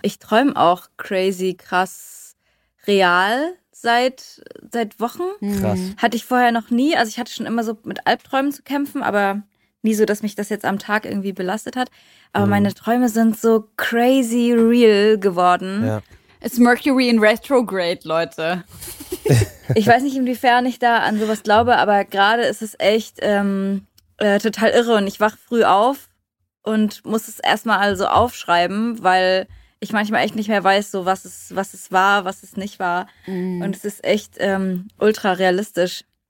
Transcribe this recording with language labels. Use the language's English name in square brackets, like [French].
[German] Ich träume auch crazy krass. Real seit Wochen. Krass. Hatte ich vorher noch nie. Also ich hatte schon immer so mit Albträumen zu kämpfen, aber nie so, dass mich das jetzt am Tag irgendwie belastet hat. Aber meine Träume sind so crazy real geworden. Ja. [English] It's Mercury in Retrograde, Leute. [German] Ich weiß nicht, inwiefern ich da an sowas glaube, aber gerade ist es echt total irre. Und ich wache früh auf und muss es erstmal also aufschreiben, weil ich manchmal echt nicht mehr weiß, so was es war, was es nicht war. Mm. Und es ist echt ultra realistisch.